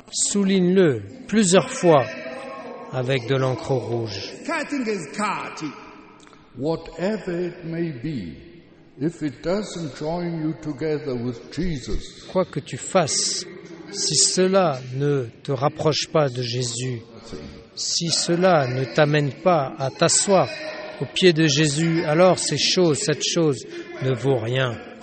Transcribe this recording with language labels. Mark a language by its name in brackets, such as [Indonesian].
[French] Souligne-le plusieurs fois avec de l'encre rouge. [English] Cutting is cutting. Whatever it may be. If it doesn't join you together with Jesus, [French] quoi que tu fasses, si cela ne te rapproche pas de Jésus, si cela ne t'amène pas à t'asseoir au pied de Jésus, alors ces choses, cette chose ne vaut rien.